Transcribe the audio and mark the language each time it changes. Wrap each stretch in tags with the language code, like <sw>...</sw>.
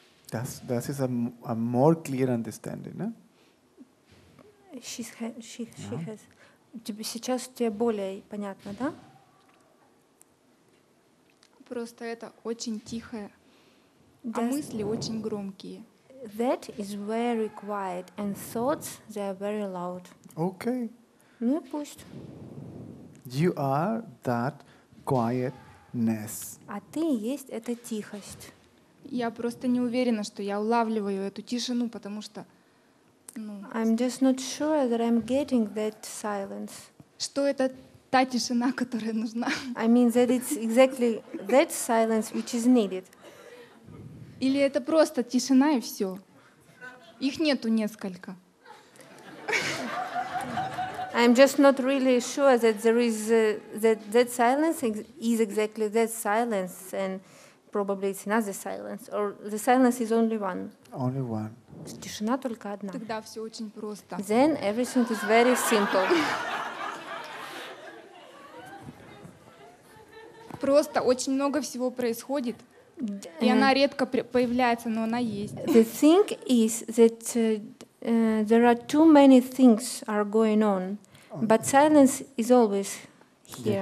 <en>That is a more clear understanding, no? She has.</en> <ru>Тебе сейчас тебе более понятно, да? Просто это очень тихое, а мысли очень громкие.</ru> <en>That is very quiet, and thoughts, they are very loud. Okay.</en> <ru>Ну и пусть.</ru> <en>You are that quietness.</en> <ru>А ты есть эта тихость. Я просто не уверена, что я улавливаю эту тишину, потому что... Ну,</ru> <en>I'm just not sure that I'm getting that silence.</en> <ru>Что это та тишина, которая нужна?</ru> <en>I mean that it's exactly that silence which is needed.</en> <ru>Или это просто тишина и все? Их нету несколько.</ru> <en>I'm just not really sure that there is that silence is exactly that silence, and probably it's another silence, or the silence is only one. Only one.</en> <ru>Тишина только одна. Тогда все очень просто.</ru> <en>Then everything is very simple.</en> <ru>Просто очень много всего происходит, и она редко появляется, но она есть.</ru> <en>The thing is that there are too many things are going on, but silence is always here.</en>